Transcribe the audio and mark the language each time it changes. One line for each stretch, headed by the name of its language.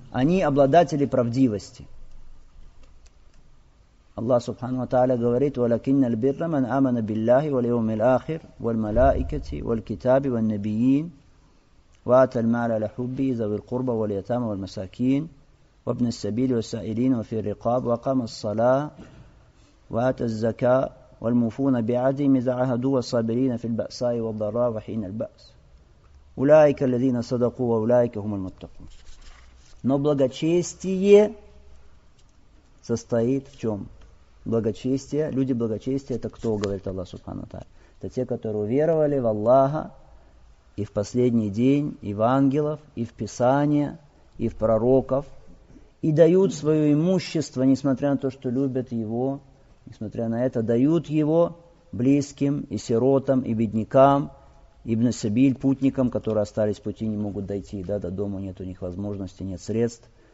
Russian: Они обладатели правдивости.
Arabic: Аллах Субхану ва Тааля говорит, «Валакинна аль-бирра ман амана билляхи валяуми л-ахир, валь-малаикати, валь-китаби, валь-набиин, ва-ата л-маля ля-хубби, изави л-курба, валь-ятама, валь-масакин». وابن السبيل والسائلين وفي الرقاب وقام الصلاة وآت الزكاة والموفون بعهدهم إذا عاهدوا والصابرين في البأساء والضراء وحين البأس أولئك الذين صدقوا وأولئك هم المتقون.
Russian: Но благочестие состоит в чем? Благочестие, люди благочестия, это кто, говорит Аллах Субхану ва Тааля? Это те, которые уверовали в Аллаха и в последний день, и в ангелов, и в Писание, и в пророков, и дают свое имущество, несмотря на то, что любят его, несмотря на это, дают его близким и сиротам, и беднякам, ибн Сабиль, путникам, которые остались в пути, не могут дойти, да, до дома нет у них возможности, нет средств.